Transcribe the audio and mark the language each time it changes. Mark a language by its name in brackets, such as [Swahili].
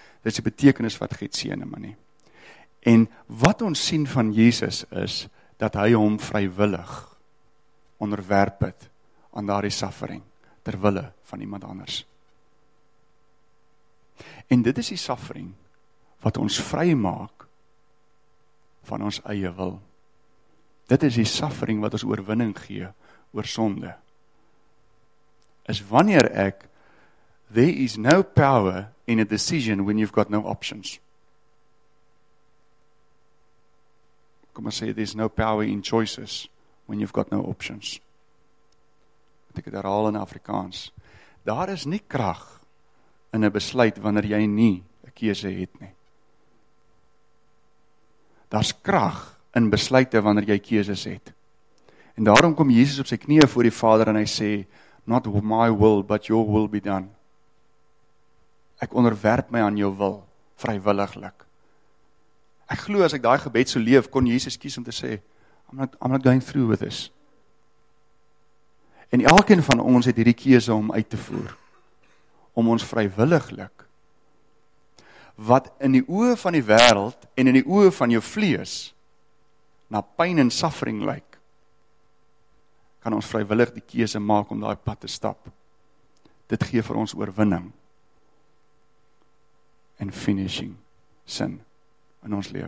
[Afrikaans] Dit is die betekenis van Getsemane. En wat ons sien van Jesus is, dat hy hom vrywillig onderwerp het aan daardie suffering, ter wille van iemand anders. En dit is die suffering wat ons vry maak van ons eie wil. Dit is die suffering wat ons oorwinning gee oor sonde. Is wanneer ek, [English] there is no power in a decision when you've got no options. [Afrikaans] Kom maar sê, [English] there is no power in choices when you've got no options. [Afrikaans] Moet ek het herhaal in Afrikaans. Daar is nie krag in 'n besluit wanneer jy nie 'n keuse het nie. Daar's krag in besluite wanneer jy keuses het. En daarom kom Jesus op sy knieë voor die Vader en hy sê, [English] not my will, but your will be done. [Afrikaans] Ek onderwerp my aan jou wil, vrywilliglik. Ek glo as ek daai gebed so leef, kon Jesus kies om te sê, [English] I'm not going through with this. [Afrikaans] En elkeen van ons het hierdie keuse om uit te voer. Om ons vrywilliglik, wat in die oë van die wêreld en in die oë van jou vlees, na pyn en suffering lyk, kan ons vrywillig die keuse maak om daai pad te stap. Dit gee vir ons oorwinning en [English] finishing sin [Afrikaans] in ons lewe.